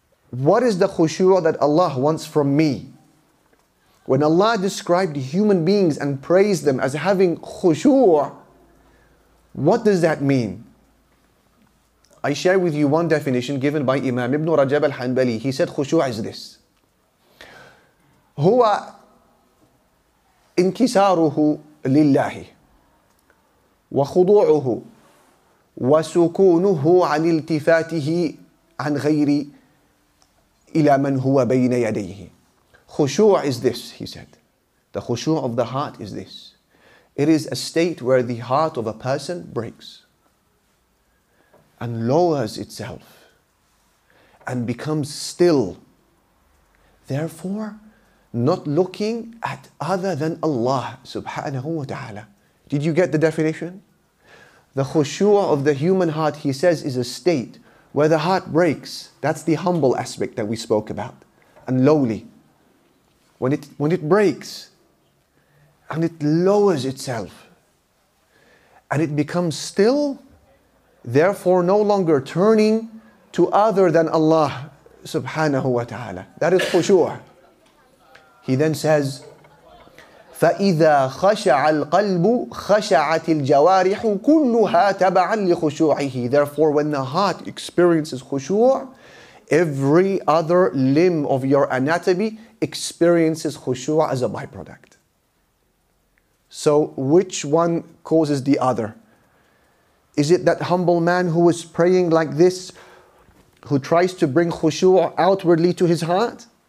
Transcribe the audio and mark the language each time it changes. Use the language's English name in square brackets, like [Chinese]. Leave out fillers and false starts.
[English] What is the khushu' that Allah wants from me? When Allah described human beings and praised them as having khushu', what does that mean? I share with you one definition given by Imam Ibn Rajab al-Hanbali. He said khushu' is this. [Arabic] Huwa انكساره لله وخضوعه وسكونه عن التفاته عن غير إلى من هو بين يديه. [English] خشوع is this, he said. The خشوع of the heart is this. It is a state where the heart of a person breaks and lowers itself and becomes still. Therefore, not looking at other than Allah subhanahu wa ta'ala. Did you get the definition? The khushu' of the human heart, he says, is a state where the heart breaks. That's the humble aspect that we spoke about. And lowly. When it breaks, and it lowers itself, and it becomes still, therefore no longer turning to other than Allah subhanahu wa ta'ala. That is khushu'. He then says, [Arabic] فَإِذَا خَشَعَ الْقَلْبُ خَشَعَتِ الْجَوَارِحُ كُلُّهَا تَبَعًا لِخُشُوعِهِ. [English] Therefore, when the heart experiences khushu', every other limb of your anatomy experiences khushu' as a byproduct. So which one causes the other? Is it that humble man who is praying like this, who tries to bring khushu' outwardly to his heart?